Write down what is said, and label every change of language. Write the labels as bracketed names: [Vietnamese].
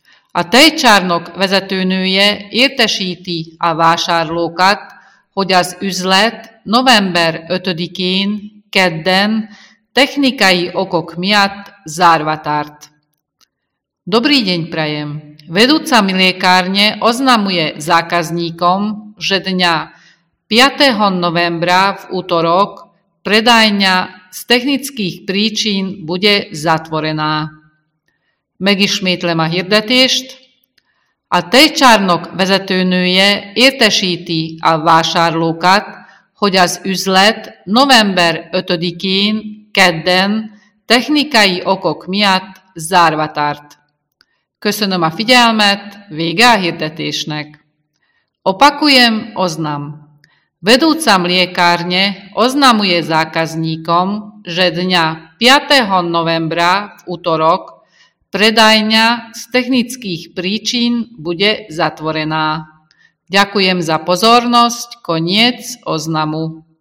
[Hungarian] A tejcsárnok vezetőnője értesíti a vásárlókat, hogy az üzlet november 5-én, kedden, technikai okok miatt zárva tart. [Slovak] Dobrý deň prajem! Vedúca mi lékárne oznamuje zákazníkom, že dňa 5. novembra v útorok predajňa z technických príčin bude zatvorená. [Hungarian] Megismétlem a hirdetést. A tejcsárnok vezetőnője értesíti a vásárlókat, hogy az üzlet november 5-én, kedden, technikai okok miatt zárva tart. Köszönöm a figyelmet, vége a hirdetésnek. [Slovak] Opakujem, oznam. Vedúca mliekárne oznamuje zákazníkom, že dňa 5. novembra v útorok predajňa z technických príčin bude zatvorená. Ďakujem za pozornosť, koniec oznamu.